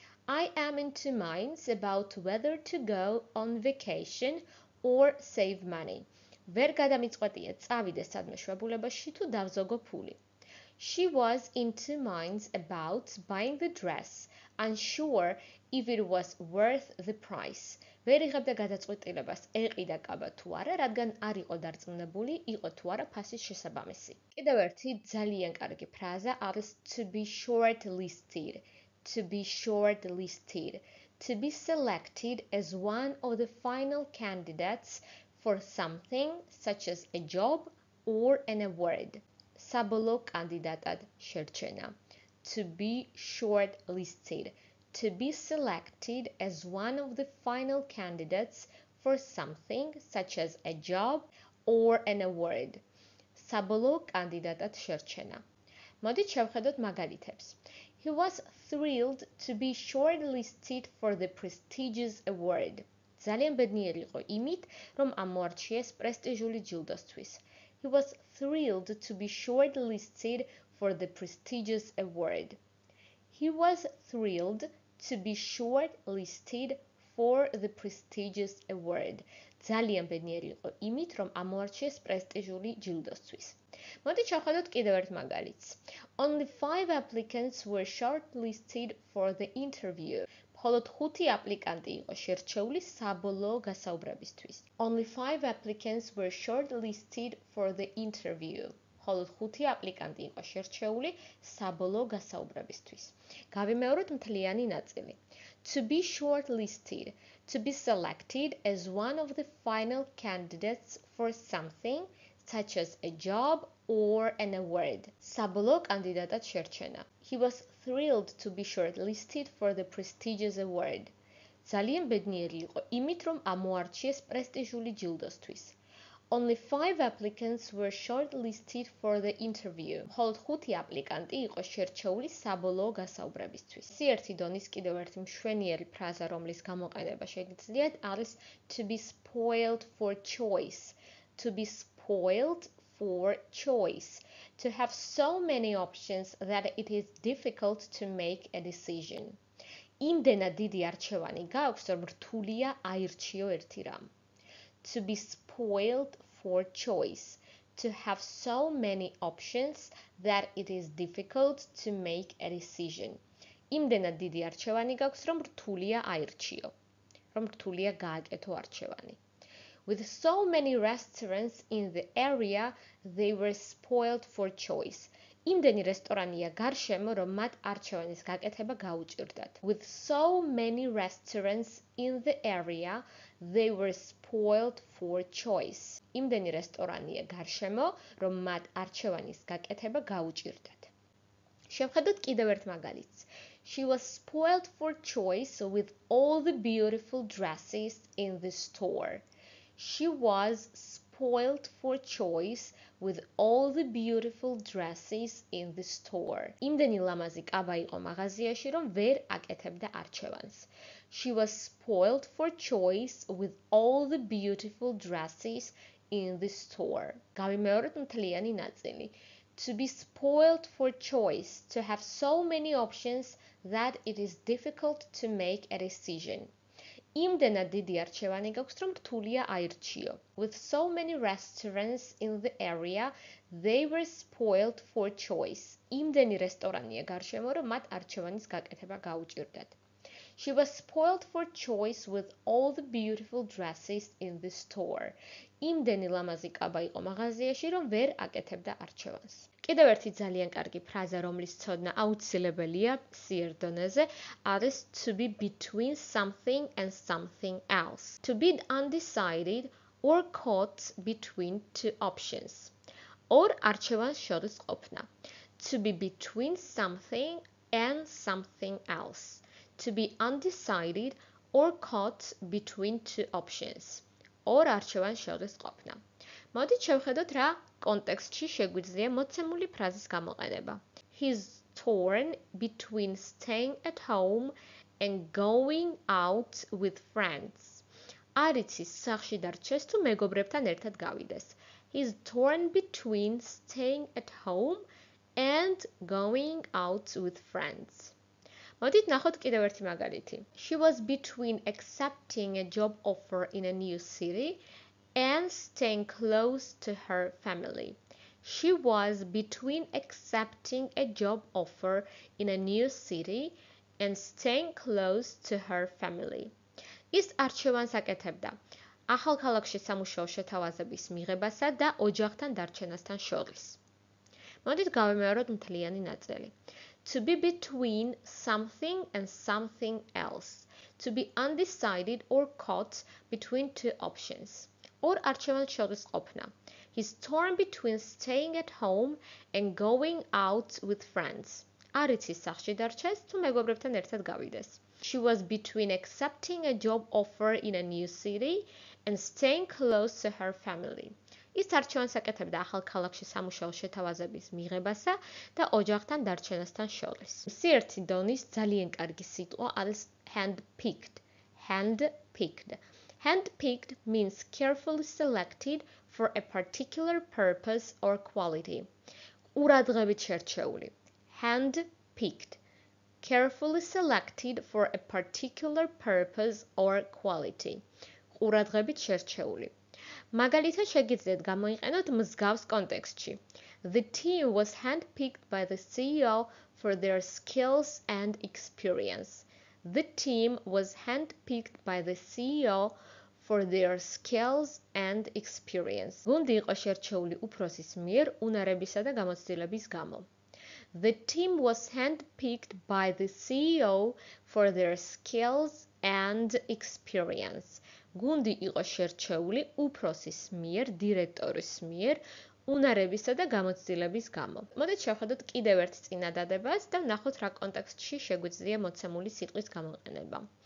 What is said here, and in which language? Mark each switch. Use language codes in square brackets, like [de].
[en] I am in two minds about whether to go on vacation or save money. [ka] ვერ გადამიწყვეტია, წავიდე სადმე შვებულებაში თუ დავზოგო ფული. [en] She was in two minds about buying the dress, unsure if it was worth the price. [ka] ვერ იღებდა გადაწყვეტილებას, ეყიდა კაბა თუ არა, რადგან არ იყო დარწმუნებული, იყო თუ არა ფასის შესაბამისი. კიდევ ერთი ძალიან კარგი ფრაზა არის [en] to be shortlisted. To be shortlisted. To be selected as one of the final candidates for something such as a job or an award. [ka] Საბოლოო კანდიდატად შერჩენა. [en] To be shortlisted. To be selected as one of the final candidates for something such as a job or an award. [ka] საბოლოო კანდიდატად შერჩენა. მოდით შევხედოთ მაგალითებს. [en] He was thrilled to be shortlisted for the prestigious award. [ka] ძალიან ბედნიერი იყო იმით, რომ ამოარჩიეს პრესტიჟული ჯილდოსთვის. [en] He was thrilled to be shortlisted for the prestigious award. He was thrilled to be shortlisted for the prestigious award. [ka] ძალიან ბედნიერი იყო იმით, რომ ამოარჩიეს პრესტიჟული ჯილდოსთვის. მოდი შევხედოთ კიდევ ერთ მაგალითს. [en] Only 5 applicants were shortlisted for the interview. [ka] მხოლოდ 5 აპლიკანტი იყო შერჩეული საბოლოო გასაუბრებისთვის. [en] Only 5 applicants were shortlisted for the interview. [ka] მხოლოდ 5 აპლიკანტი იყო შერჩეული საბოლოო გასაუბრებისთვის. გავიმეორებთ მთლიანი ნაწილი. [en] To be shortlisted, to be selected as one of the final candidates for something such as a job or an award. [ka] Საბოლოო კანდიდატად შერჩენა. [en] He was thrilled to be shortlisted for the prestigious award. [ka] ძალიან ბედნიერი იყო იმით, რომ ამოარჩიეს პრესტიჟული ჯილდოსთვის. [en] Only 5 applicants were shortlisted for the interview. [ka] მხოლოდ 5 აპლიკანტი იყო შერჩეული საბოლოო გასაუბრებისთვის. სიერთი დონის კიდევ ერთი მშვენიერი ფრაზა, რომლის გამოყენება შეგიძლიათ, არის [en] to be spoiled for choice. To be spoiled for choice. To have so many options that it is difficult to make a decision. [ka] იმდენად დიდი არჩევანი გაქვს, რომ რთულია აირჩიო ერთი რამ. [en] To be spoiled for choice. To have so many options that it is difficult to make a decision. [ka] იმდენად დიდი არჩევანი გაქვს, რომ რთულია აირჩიო. რომ რთულია გააკეთო არჩევანი. [en] With so many restaurants in the area, they were spoiled for choice. [ka] იმდენი რესტორანია გარშემო, რომ მათ არჩევანის გაკეთება გაუჭირდათ. [en] With so many restaurants in the area, they were spoiled for choice. [ka] იმდენი რესტორანია გარშემო, რომ მათ არჩევანის გაკეთება გაუჭირდათ. შევხედოთ კიდევ ერთ მაგალითს. [en] She was spoiled for choice with all the beautiful dresses in the store. She was spoiled for choice with all the beautiful dresses in the store. [ka] იმდენი ლამაზი კაბა იყო მაღაზიაში, რომ ვერ აკეთებდა არჩევანს. [en] She was spoiled for choice with all the beautiful dresses in the store. [ka] გავიმეორებთ მთლიანი ნაწილი. [en] To be spoiled for choice, to have so many options that it is difficult to make a decision. [ka] იმდენად დიდი არჩევანი გაქვს, რომ რთულია აირჩიო. [en] With so many restaurants in the area, they were spoiled for choice. [ka] იმდენი რესტორანია გარშემო, რომ მათ არჩევანის გაკეთება გაუჭირდათ. [en] She was spoiled for choice with all the beautiful dresses in the store. [ka] იმდენი ლამაზი კაბა იყო მაღაზიაში, რომ ვერ აკეთებდა არჩევანს. კიდევ ერთი ძალიან კარგი ფრაზა, რომლის ცოდნა აუცილებელია სიერდონეზე, არის [en] to be between something and something else. To be undecided or caught between two options. [ka] ორ არჩევანს შორის ყოფნა. [en] To be between something and something else. To be undecided or caught between two options. [ka] ორ არჩევანს შორის ყოფნა. მოდით შევხედოთ რა კონტექსტში შეგვიძლია მოცემული ფრაზის გამოყენება. [en] He's torn between staying at home and going out with friends. [ka] არ იცის სახლში დარჩეს თუ მეგობრებთან ერთად გავიდეს. [en] He's torn between staying at home and going out with friends. [ka] მოდით ნახოთ კიდევ ერთი მაგალითი. [en] She was between accepting a job offer in a new city and staying close to her family. She was between accepting a job offer in a new city and staying close to her family. [ka] ის არჩევანს აკეთებდა ახალქალაქში სამუშაო შეთავაზების მიღებასა და ოჯახთან დარჩენასთან შორის. მოდით გავიმეოროთ მთლიანი ნაწილი. [en] To be between something and something else. To be undecided or caught between two options. [ka] ორ არჩევანს შორის ყოფნა. [en] He's torn between staying at home and going out with friends. [ka] არ იცის სახლში დარჩეს თუ მეგობრებთან ერთად გავიდეს. [en] She was between accepting a job offer in a new city and staying close to her family. [ka] ის არჩევანს აკეთებდა ახალ ქალაქში სამუშაო შეთავაზების მიღებასა და ოჯახთან დარჩენასთან შორის. სიერთი დონის ძალიან კარგი სიტყვა არის hand-picked. [en] Hand-picked means carefully selected for a particular purpose or quality. [ka] ურადღებით შერჩეული. [en] Hand-picked. Carefully selected for a particular purpose or quality. [ka] ურადღებით შერჩეული. მაგალითად შეგიძლიათ გამოიყენოთ მსგავს კონტექსტში. [en] The team was hand-picked by the CEO for their skills and experience. The team was hand-picked by the CEO for their skills and experience. [ka] გუნდი იყო შერჩეული უფროსის მიერ უნარებისა და გამოცდილების გამო. [en] The team was hand-picked by the CEO for their skills and experience. [ka] გუნდი იყო შერჩეული უფროსის მიერ დირექტორის მიერ უნარებისა და გამოცდილების გამო. მოდით შევხედოთ კიდევ ერთ წინადადებას და ვნახოთ რა კონტექსტში შეგვიძლია მოცემული სიტყვის გამოყენება.